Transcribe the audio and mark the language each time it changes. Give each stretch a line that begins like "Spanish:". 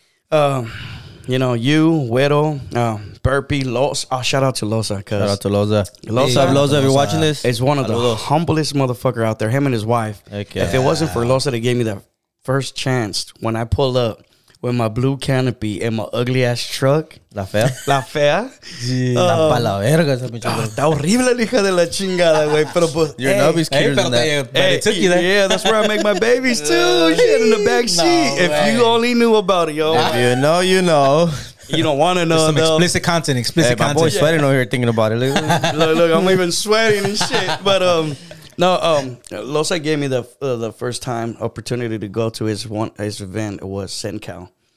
English: You know, you, Weddle, Burpee, Loza. Oh, shout out to Loza. Shout out to Loza. Loza, if you're watching this. It's one of the humblest motherfucker out there. Him and his wife. Okay. If it wasn't for Loza, they gave me that first chance when I pull up with my blue canopy and my ugly ass truck.
Spanish: La fea. La fea. Yeah. La pala verga. Está horrible, hija de la chingada, güey. Pero pues.
English: Your nubby's cuter than that. But it took you there. Yeah, that's where I make my babies too. Shit in the back seat. No, if you only knew about it, yo. If you know, you know. You don't want to know. Some though. Explicit content. Explicit content. My boy's sweating over here thinking about it. Look, look, I'm even sweating and shit. But, no, Losa gave me the first time opportunity to go to his event. It was SenCal.